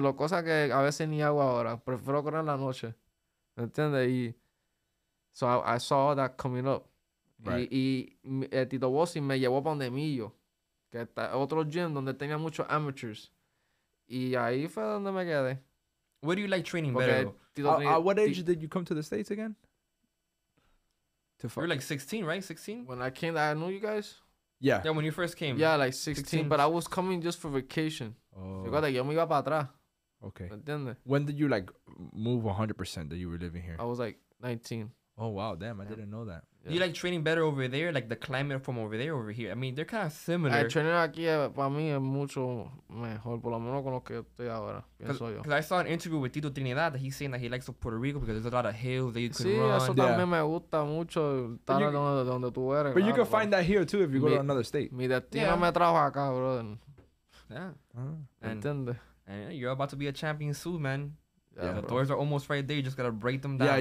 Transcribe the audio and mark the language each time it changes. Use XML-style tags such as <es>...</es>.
<es>Lo cosa que a veces ni hago ahora. Prefiero correr en la noche. ¿Me entiendes? Y</es> <en>so I saw that coming up. Right.</en> <es>Y Tito Bossi me llevó para donde Millo, que está otro gym donde tenía muchos amateurs. Y ahí fue donde me quedé.</es> <en>Where do you like training better? What age did you come to the States again? To fight. You're like 16, right? 16? When I came, I knew you guys. Yeah. Yeah, when you first came. Yeah, like 16. But I was coming just for vacation. Oh.</en> <es>Recuerda que yo me iba para atrás.</es> <en>Okay.</en> <es>¿Entiendes?</es> <en>When did you like move 100% that you were living here? I was like 19. Oh, wow. Damn, I didn't know that. Yeah. Do you like training better over there? Like the climate from over there over here? I mean, they're kind of similar.</en> <es>Training aquí para mí es mucho mejor, por lo menos con lo que estoy ahora, pienso yo.</es> <en>Because I saw an interview with Tito Trinidad that he's saying that he likes Puerto Rico because there's a lot of hills that you can</en> <es>sí,</es> <en>run.</en> <es>Eso también me gusta mucho estar donde tú eres.</es> <en>But</en> <es>claro,</es> <en>you can find that here too if you go to another state.</en> <es>Mi destino me trajo acá, brother.</es> <en>Yeah.</en> <es>Entiende.</es> <en>And you're about to be a champion soon, man. Yeah, the doors are almost right there. You just gotta break them down.</en>